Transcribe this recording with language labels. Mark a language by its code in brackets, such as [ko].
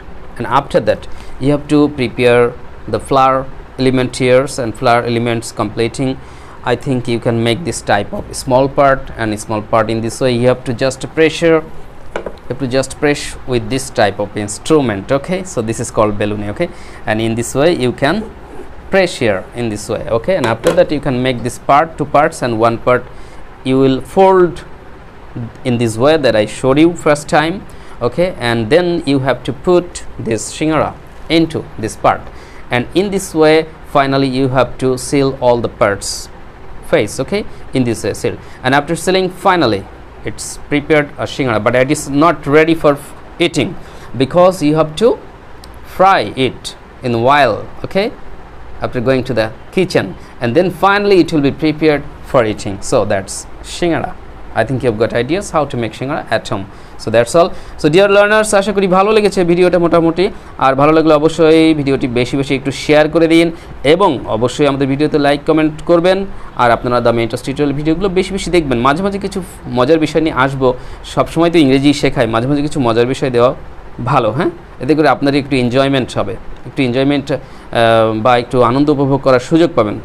[en] And after that you have to prepare the flower element here's, and flower elements completing, I think you can make this type of small part, and small part in this way, you have to just pressure, you have to just press with this type of instrument, okay. So this is called বেলুনি, okay, and in this way you can pressure in this way, okay, and after that you can make this part two parts, and one part you will fold in this way that I showed you first time, okay, and then you have to put this shingara into this part, and in this way finally you have to seal all the parts face, okay, in this way sealed, and after sealing finally it's prepared a shingara, but it is not ready for eating because you have to fry it in a while, okay, after going to the kitchen, and then finally it will be prepared for eating. So that's shingara. I think you have got ideas how to make shingara at home. So that's all. So dear learners, [bn] আশা করি ভালো লেগেছে ভিডিওটা মোটামুটি, আর ভালো লাগলে অবশ্যই ভিডিওটি বেশি বেশি একটু শেয়ার করে দিন, এবং অবশ্যই আমাদের ভিডিওতে লাইক কমেন্ট করবেন, আর আপনারা দা মেন্টর্স টিউটোরিয়াল ভিডিওগুলো বেশি বেশি দেখবেন। মাঝে মাঝে কিছু মজার বিষয় নিয়ে আসবো, সবসময় তো ইংরেজি শেখাই, মাঝে মাঝে কিছু মজার বিষয় দেওয়া ভালো, হ্যাঁ, এতে করে আপনার একটু এনজয়মেন্ট হবে, একটু এনজয়মেন্ট বা একটু আনন্দ উপভোগ করার সুযোগ পাবেন।